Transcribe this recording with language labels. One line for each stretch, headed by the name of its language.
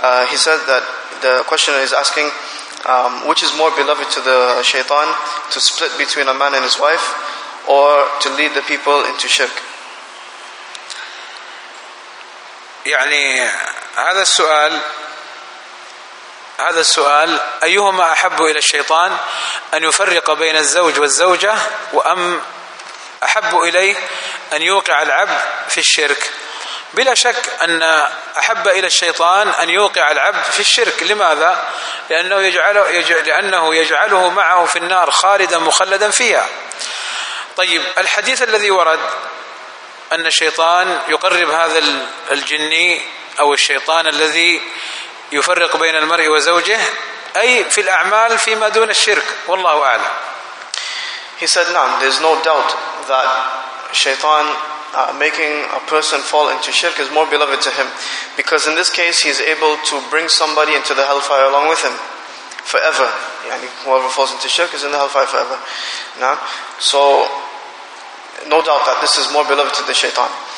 English: He said that the questioner is asking, which is more beloved to the shaitan, to split between a man and his wife, or to lead the people into shirk?
Arabic: يعني هذا السؤال, هذا السؤال أيهما أحب إلى الشيطان أن يفرق بين الزوج والزوجة, وأم أحب إليه أن يوقع العبد في الشرك؟ بلا شك أن أحب إلى الشيطان أن يوقع العبد في الشرك. لماذا؟ لأنه يجعله معه في النار خالدا مخلدا فيها. طيب, الحديث الذي ورد أن الشيطان يقرب هذا الجني أو الشيطان الذي يفرق بين المرء وزوجه, أي في الأعمال فيما دون الشرك, والله أعلم.
English: He said, نعم, there's no doubt that شيطان making a person fall into shirk is more beloved to him, because in this case he is able to bring somebody into the hellfire along with him forever. يعني whoever falls into shirk is in the hellfire forever. Now, so no doubt that this is more beloved to the shaitan.